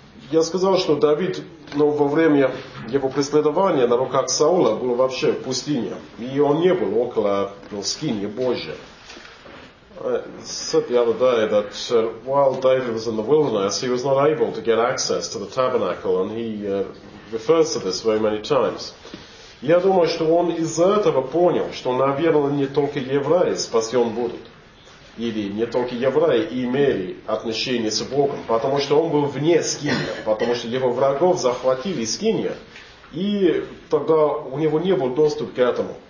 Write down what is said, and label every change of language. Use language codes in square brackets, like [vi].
[ru] Я сказал, что Давид, ну, во время его преследования на руках Саула был вообще в пустыне, и он не был около, ну, скинии Божьей. [en] I said the other day that while David was in the wilderness, he was not able to get access to the tabernacle, and he refers to this very many times. [ru] Я думаю, что он из-за этого понял, что, наверное, не только евреи спасен будут. Или не только евреи имели отношение с Богом, потому что он был вне скинии, потому что его врагов захватили скинию, и тогда у него не был доступ к этому.